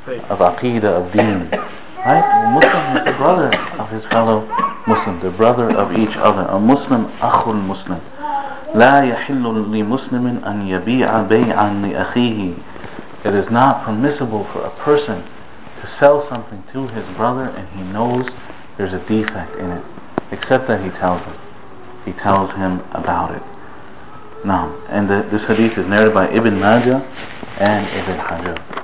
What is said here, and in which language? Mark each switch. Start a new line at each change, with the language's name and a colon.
English: Of aqidah, of deen. Right? A Muslim is the brother of his fellow Muslim, the brother of each other. A Muslim, akhul Muslim.
Arabic: لا يحل لمسلم أن يبيع بيعا لأخيه.
English: It is not permissible for a person to sell something to his brother and he knows there's a defect in it, except that he tells him. He tells him about it. Now, and this hadith is narrated by Ibn Majah and Ibn Hajar.